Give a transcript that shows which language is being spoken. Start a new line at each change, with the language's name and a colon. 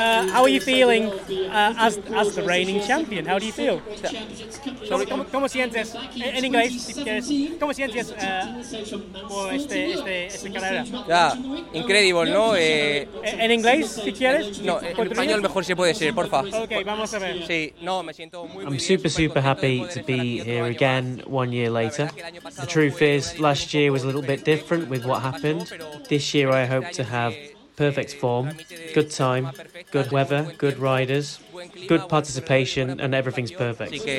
English: How are you feeling as the reigning champion? How do you feel?
Spanish: ¿Cómo sientes? En inglés, ¿cómo sientes por este carrera? Ya, increíble, ¿no? En inglés, si quieres. No, en español mejor si puede ser, porfa. Okay, vamos a ver. Sí, no, me siento muy.
English: I'm super, super happy to be here again 1 year later. The truth is, last year was a little bit different with what happened. This year, I hope to have perfect form, good time, good weather, good riders, good participation, and everything's perfect.